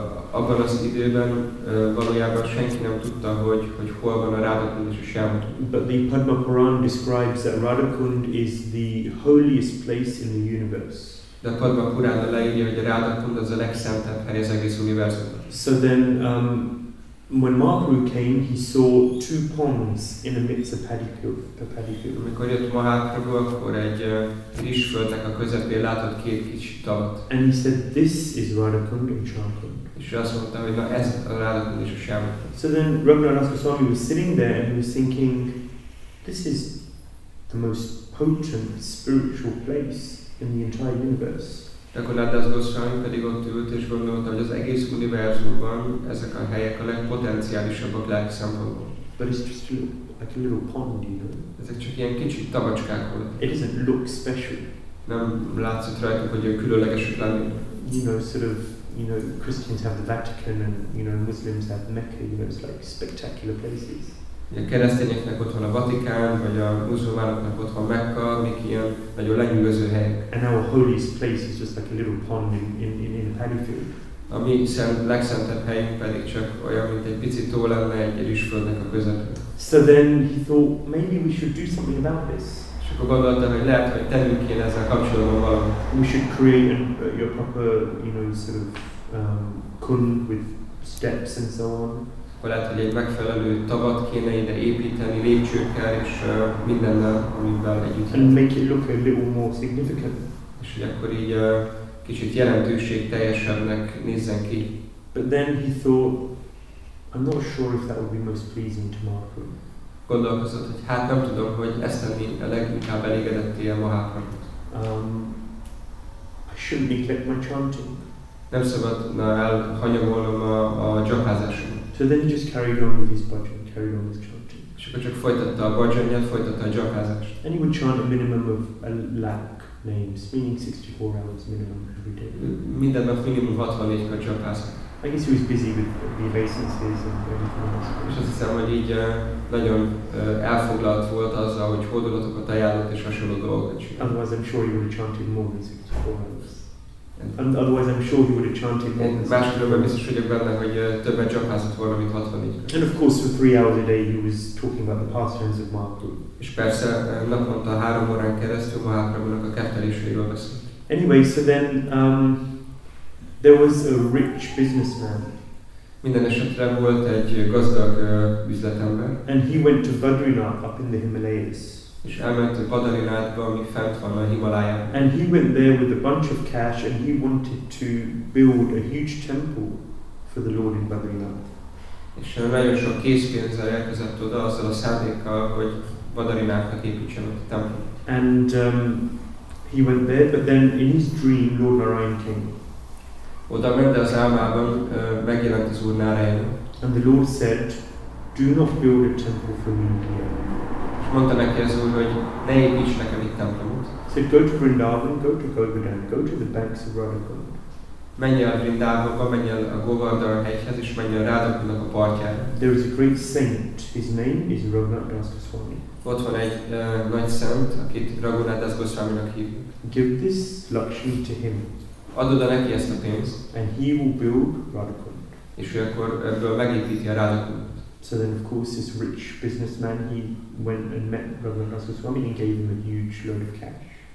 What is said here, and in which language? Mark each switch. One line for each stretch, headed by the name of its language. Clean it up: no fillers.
Hungarian: Abban az időben valójában senki nem tudta, hogy hol van a Radhakund és a Shankund.
English: But the Padma Puran describes that Radhakund is the holiest place in the universe.
Hungarian: De a Padma Purán leírja, hogy a Radhakund az a legszentebb hely az egész univerzumban.
English: So then, when Mahaprabhu came, he saw two ponds in the midst of paddy field.
Hungarian: Amikor jött Mahaprabhu, akkor egy rizsföldnek a közepén látott két kicsi tavat.
English: And he said, this is Radhakund and Shyamakund.
Hungarian: És ő azt mondta, hogy na ez a Radhakund és a Shyamakund.
English: So then Raghunath Das Goswami was sitting there and he was thinking, this is the most potent spiritual place in the entire universe.
Hungarian: Raghunath Das Goswami pedig ott ült és gondolta, hogy az egész univerzumban ezek a helyek a legpotenciálisabbak lelki szempontból.
English: But it's just like a little pond, you know?
Hungarian: Ezek csak ilyen kicsi tavacskák voltak.
English: It doesn't look special.
Hungarian: Nem látszott rajtuk, hogy különlegesek lennének.
English: You know, sort of, you know, Christians have the Vatican and, you know, Muslims have Mecca, you know, it's like spectacular places.
Hungarian: A keresztényeknek ott van a Vatikán, vagy a muzulmánoknak ott van Mekka, mik ilyen nagyon lenyűgöző helyek.
English: And our holiest place is just like a little pond in a paddy field.
Hungarian: ami szent legszentebb helyünk pedig csak olyan, mint egy pici tó lenne egy rizsföldnek a közepén.
English: So then he thought maybe we should do something about this.
Hungarian: És akkor gondolta, hogy lehet, hogy tennünk kéne ezzel kapcsolatban valamit.
English: We should create an, your proper, you know, sort of kun with steps and so on.
Hungarian: Akkor lehet, hogy egy megfelelő tavat kéne ide építeni lépcsőkkel és mindennel, amivel együtt.
English: And make it look a little more significant.
Hungarian: És hogy akkor így kicsit jelentőség teljesebbnek nézzen ki.
English: But then he thought, I'm not sure if that would be most pleasing to Mahaprabhu.
Hungarian: Gondolkozott, hogy hát nem tudom, hogy ezt tenni a leginkább elégedetté a Mahaprabhut.
English: I shouldn't neglect my chanting.
Hungarian: Nem szabadna elhanyagolnom a dzsakázásom.
English: So then he just carried on with his bhajan, carried on with chanting.
Hungarian: És akkor csak folytatta a bhajanját, folytatta a dzsakázást.
English: And he would chant a minimum of a lakh names, meaning 64 hours minimum every day.
Hungarian: Minden nap minimum 64 kör dzsakázott.
English: I guess he was busy with the obeisances and everything else.
Hungarian: És azt hiszem, hogy így nagyon elfoglalt volt azzal, hogy hódolatokat ajánlott és hasonló dolgokat csinált.
English: Otherwise I'm sure he would have chanted more than 64 hours. And otherwise I'm sure he would have chanted more than 64 hours.
Hungarian: Máskülönben biztos vagyok benne, hogy többet dzsakázott volna, mint 64 kör.
English: And of course for 3 hours a day he was talking about the pastimes of Mahaprabhu.
Hungarian: És persze naponta 3 órán keresztül Mahaprabhunak a ketteléséről beszélt.
English: Anyway, so then there was a rich businessman.
Hungarian: Minden esetre volt egy gazdag üzletember.
English: And he went to Badrinath up in the Himalayas.
Hungarian: És elment a Badrinathba, ami fent van a Himalaya.
English: And he went there with a bunch of cash and he wanted to build a huge temple for the Lord in Badrinath.
Hungarian: És nagyon sok készpénzzel érkezett oda azzal a szándékkal, hogy Badrinathnak építsen ott a templomot.
English: And he went there, but then in his dream Lord Narayan came.
Hungarian: Oda ment, de az álmában megjelent az Úr Narayana.
English: And the Lord said, do not build a temple for me here.
Hungarian: És mondta neki az Úr, hogy ne építs nekem itt templomot.
English: So go to Vrindavan, go to Govardhan, go to the banks of Radhakund.
Hungarian: Menj el Vrindavanba, menj el a Govardhan hegyhez, és menj el Radhakundnak a partjára.
English: There is a great saint, his name is Raghunath Das Goswami.
Hungarian: Ott van egy nagy szent, akit Raghunath Das Goswaminak hívjuk.
English: Give this Lakshmi to him.
Hungarian: Adod-e neki ezt a pénzt?
English: And he will build Radhakund.
Hungarian: És ő akkor ebből megépíti a Radhakundot.
English: So then of course this rich businessman, he went and met Raghunath Das Goswami and gave him a huge load of cash.